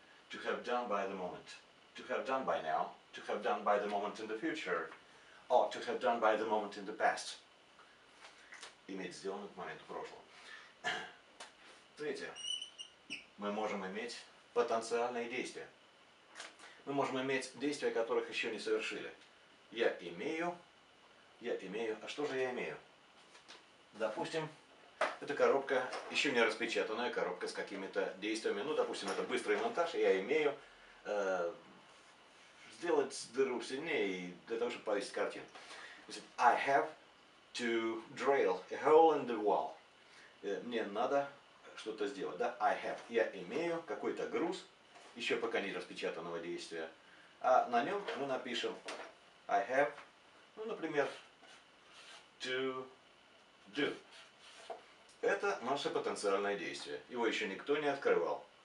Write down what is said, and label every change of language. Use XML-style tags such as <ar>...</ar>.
<en>To have done by the moment, to have done by now, to have done by the moment in the future, or to have done by the moment in the past.</en> <ru>Иметь сделанным к моменту прошлого. Третье. Мы можем иметь потенциальные действия. Мы можем иметь действия, которых еще не совершили. Я имею. А что же я имею? Допустим, это коробка, еще не распечатанная коробка с какими-то действиями. Ну, допустим, это быстрый монтаж. Я имею сделать дыру сильнее для того, чтобы повесить картину.</ru> <en>I have to drill a hole in the wall.</en> <ru>Мне надо что-то сделать. Да?</ru> <en>I have.</en> <ru>Я имею какой-то груз, еще пока не распечатанного действия. А на нем мы напишем</ru> <en>I have,</en> <ru>ну, например,</ru> <en>to do.</en> <ru>Это наше потенциальное действие. Его еще никто не открывал.</ru>